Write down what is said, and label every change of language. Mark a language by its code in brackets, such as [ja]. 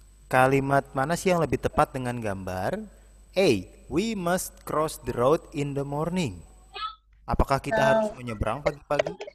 [id] Kalimat mana sih yang lebih tepat dengan gambar? A. [en] We must cross the road in the morning. [id] Apakah kita harus menyeberang pagi-pagi?